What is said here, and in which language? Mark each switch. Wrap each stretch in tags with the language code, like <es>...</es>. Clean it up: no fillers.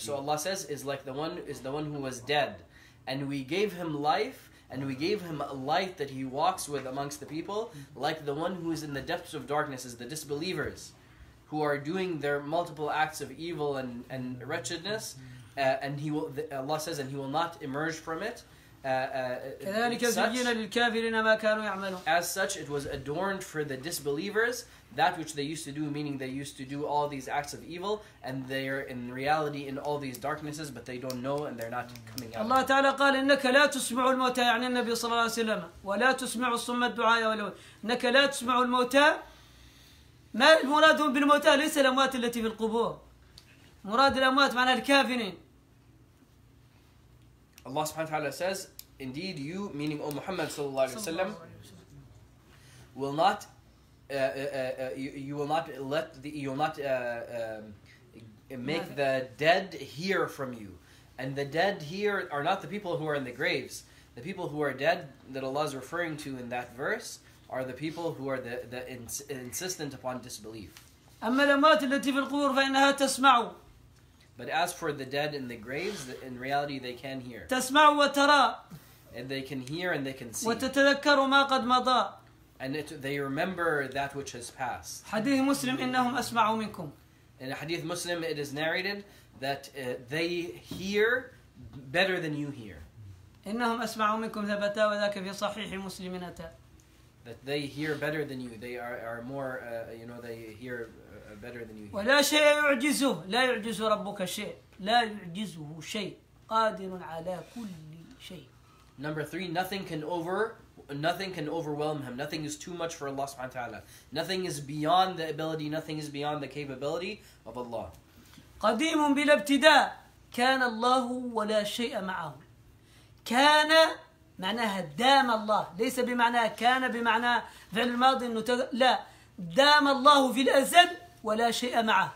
<en>So Allah says, is the one who was dead, and we gave him life, and we gave him a light that he walks with amongst the people, like the one who is in the depths of darkness, is the disbelievers, who are doing their multiple acts of evil and wretchedness, and he will, Allah says, and he will not emerge from it. As such, it was adorned for the disbelievers, that which they used to do, meaning they used to do all these acts of evil, and they are in reality in all these darknesses, but they don't know and they're not coming out.</en> <ar>Allah Ta'ala قال إنك لا تسمع الموتى يعني النبي صلى الله عليه وسلم ولا تسمع الصم الدعاء ولا إنك لا تسمع الموتى ما المراد بالموتى ليس الأموات التي في القبور مراد الأموات معنى الكافرين.</ar> <en>Allah Subhanahu wa Ta'ala says, indeed you, meaning O Muhammad sallallahu alayhi wa sallam, will not make the dead hear from you. And the dead here are not the people who are in the graves. The people who are dead that Allah is referring to in that verse are the people who are insistent upon disbelief. But as for the dead in the graves, in reality they can hear. And they can hear and they can see. And they remember that which has passed.</en> <ar>Hadith Muslim, إنهم أسمعوا منكم.</ar> <en>In a Hadith Muslim, it is narrated that they hear better than you hear.</en> <ar>إنهم أسمعوا منكم ثبتا وذاك في صحيح مسلم أتى.</ar> <en>That they hear better than you. They are more, you know, they hear better than you.</en> <ar>ولا شيء يعجزه لا يعجز ربك شيء لا يعجزه شيء قادر على كل شيء.</ar> <en>Number three, nothing can overwhelm him. Nothing is too much for Allah subhanahu wa ta'ala. Nothing is beyond the ability, nothing is beyond the capability of Allah.</en> <ar>قديم بلا ابتداء كان الله ولا شيء معه. كان معناها دام الله ليس بمعنى كان بمعنى فعل الماضي لا دام الله في الأزل ولا شيء معه</ar>